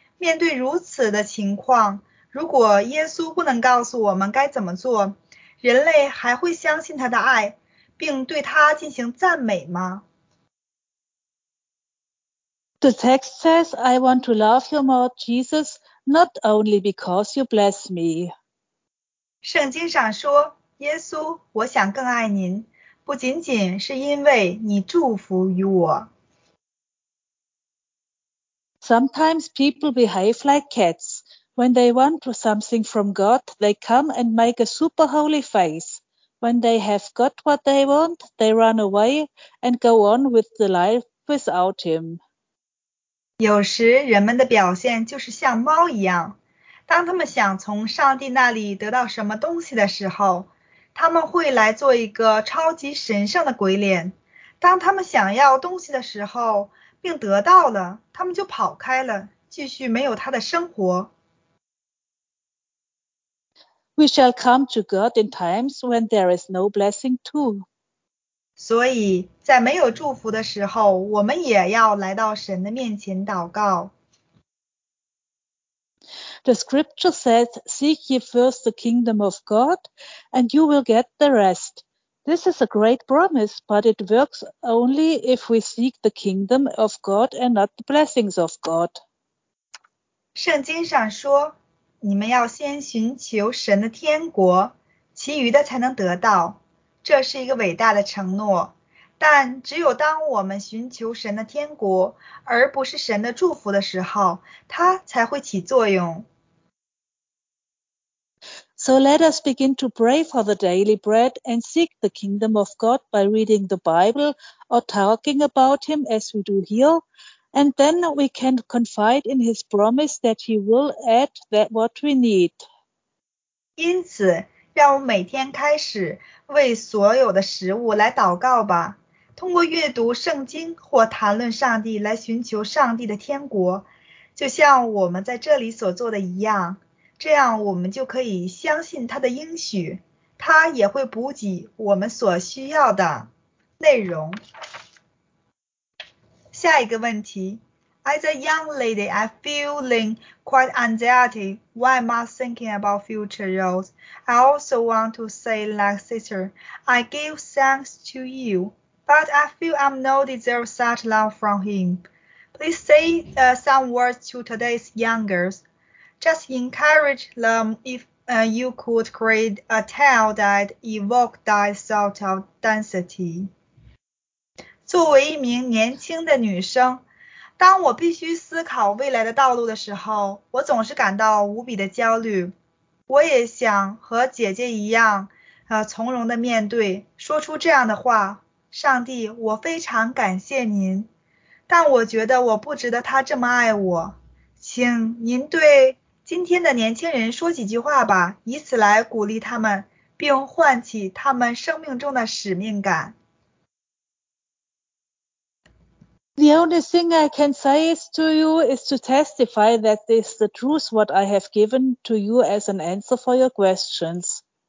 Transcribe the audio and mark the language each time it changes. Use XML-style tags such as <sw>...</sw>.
<zh>面对如此的情况，如果耶稣不能告诉我们该怎么做，人类还会相信他的爱，并对他进行赞美吗？</zh> <en>The text says, I want to love you more, Jesus, not only because you bless me.</en> <zh>圣经上说，耶稣，我想更爱您，不仅仅是因为你祝福于我。</zh> <en>Sometimes people behave like cats. When they want something from God, they come and make a super holy face. When they have got what they want, they run away and go on with the life without him.</en> <zh>有时人们的表现就是像猫一样，当他们想从上帝那里得到什么东西的时候，他们会来做一个超级神圣的鬼脸。当他们想要东西的时候并得到了，他们就跑开了，继续没有他的生活。</zh> <en>We shall come to God in times when there is no blessing too.</en> <zh>所以在没有祝福的时候，我们也要来到神的面前祷告。</zh> <en>The scripture says, Seek ye first the kingdom of God, and you will get the rest. This is a great promise, but it works only if we seek the kingdom of God and not the blessings of God.</en> <zh>圣经上说，你们要先寻求神的天国，其余的才能得到。这是一个伟大的承诺，但只有当我们寻求神的天国，而不是神的祝福的时候，它才会起作用。</zh> <en>So let us begin to pray for the daily bread and seek the kingdom of God by reading the Bible or talking about Him as we do here, and then we can confide in His promise that He will add that what we need.</en> <zh>因此，让我们每天开始为所有的食物来祷告吧，通过阅读圣经或谈论上帝来寻求上帝的天国，就像我们在这里所做的一样。这样我们就可以相信他的应许，他也会补给我们所需要的内容。下一个问题 ，</zh> <en>As a young lady, I'm feeling quite anxiety while I'm thinking about future roles. I also want to say, like sister, I give thanks to you, but I feel I'm not deserve such love from him. Please say some words to today's young girls. Just encourage them if you could create a tale that evoke that sort of density.</en> <zh>作为一名年轻的女生，当我必须思考未来的道路的时候，我总是感到无比的焦虑。我也想和姐姐一样，从容地面对，说出这样的话。上帝，我非常感谢您，但我觉得我不值得他这么爱我。请您对今天的年轻人说几句话吧，以此来鼓励他们，并唤起他们生命中的使命感。</zh> <en>The only thing I can say to you is to testify that this is the truth what I have given to you as an answer for your questions.</en>